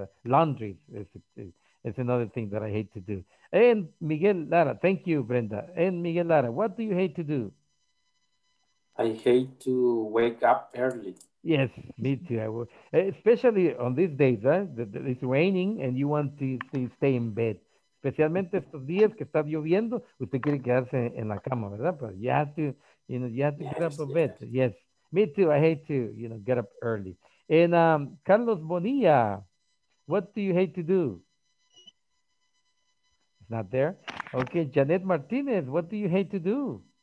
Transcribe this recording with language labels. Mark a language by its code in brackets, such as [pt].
[en] Laundry is another thing that I hate to do. And Miguel Lara. Thank you, Brenda. And Miguel Lara, what do you hate to do? I hate to wake up early. Yes, me too. I will. Especially on these days, it's raining and you want to stay in bed. [es] Especialmente estos días que está lloviendo, usted quiere quedarse en la cama, ¿verdad? [en] But you have to, you know, you have to get up a bit. Yes, me too. I hate to, you know, get up early. And Carlos Bonilla, what do you hate to do? It's not there. Okay, Janet Martinez, what do you hate to do?